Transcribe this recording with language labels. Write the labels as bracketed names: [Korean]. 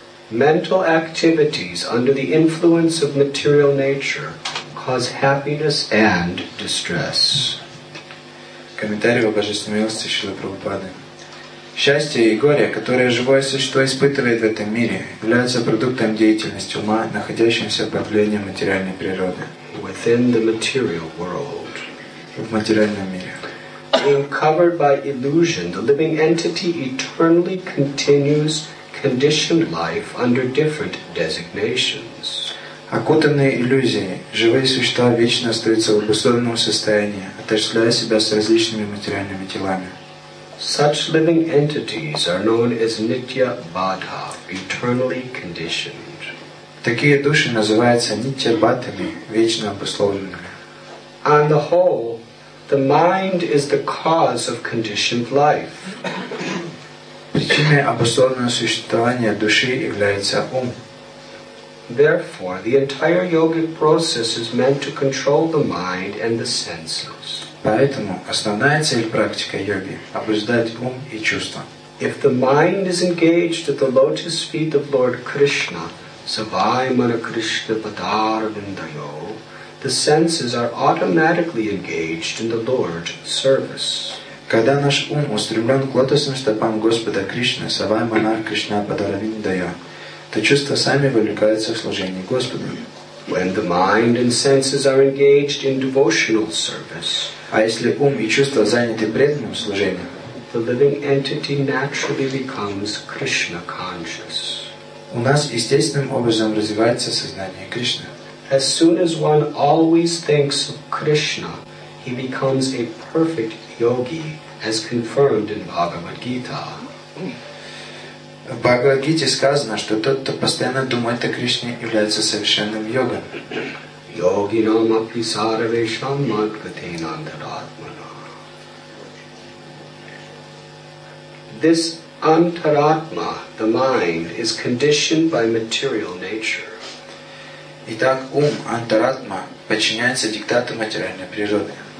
[English] Mental activities under the influence of material nature cause happiness and distress. [Russian] Комментарий о Божественном милости Шрилы Прабхупады. Счастье и горе, которое живое существо испытывает в этом мире, являются продуктом деятельности ума, находящимся под влиянием материальной природы. [English] Within the material world. [Russian] В материальном мире. [English] Being covered by illusion, the living entity eternally continues conditioned life under different designations. [Russian] Окутанные иллюзией, живые существа вечно остаются в обусловленном состоянии, отождествляя себя с различными материальными телами. [English] Such living entities are known as nitya badha, eternally conditioned. [Russian] Такие души называются нитья бадхами, вечно обусловленными. [English] On the whole, the mind is the cause of conditioned life. [Russian] Причиной обусловленного существования души является ум. [English] Therefore, the entire yogic process is meant to control the mind and the senses. [Russian] Поэтому основная цель практики йоги – обуздать ум и чувства. [English] If the mind is engaged at the lotus feet of Lord Krishna, [Sanskrit] Savai Mana Krishna Padar Vindayo, [English] the senses are automatically engaged in the Lord's service. [Russian] Когда наш ум устремлен к лотосным стопам Господа Кришны, [Sanskrit] Савай Манар Кришна Падаравиндая, [Russian] то чувства сами вовлекаются в служение Господу. [English] When the mind and senses are engaged in devotional service, [Russian] а если ум и чувства заняты преданным служением, [English] the living entity naturally becomes Krishna conscious. [Russian] У нас естественным образом развивается сознание Кришны. [English] As soon as one always thinks of Krishna, he becomes a perfect yogi, as confirmed in Bhagavad Gita. [Russian] В Бхагавад-гите сказано, что тот, кто постоянно думает о Кришне, является совершенным йогом. [Sanskrit] Йогинам апи сарвешам мадгатенантаратмана. [English] This antaratma, the mind, is conditioned by material nature. [Russian] Итак, ум, антаратма, подчиняется диктату материальной природы.